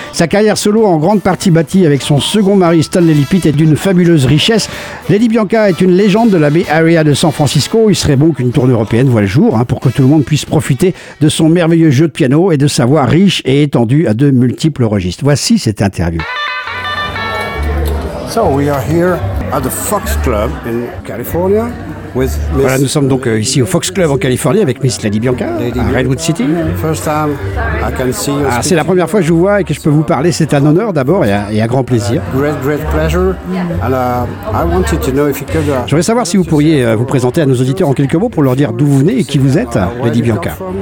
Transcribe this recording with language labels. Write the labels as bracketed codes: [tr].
[fr] Sa carrière solo en grande partie bâtie avec son second mari Stanley Lipitt est d'une fabuleuse richesse. Lady Bianca est une légende de la Bay Area de San Francisco. Il serait bon qu'une tournée européenne voie le jour hein, pour que tout le monde puisse profiter de son merveilleux jeu de piano et de sa voix riche et étendue à de multiples registres. Voici cette interview. [en] So we are here at the Fox Club in California. [fr] Voilà, nous sommes donc ici au Fox Club en Californie avec Miss Lady Bianca à Redwood City. Ah, c'est la première fois que je vous vois et que je peux vous parler. C'est un honneur d'abord et un grand plaisir. Je voudrais savoir si vous pourriez vous présenter à nos auditeurs en quelques mots pour leur dire d'où vous venez et qui vous êtes, Lady Bianca.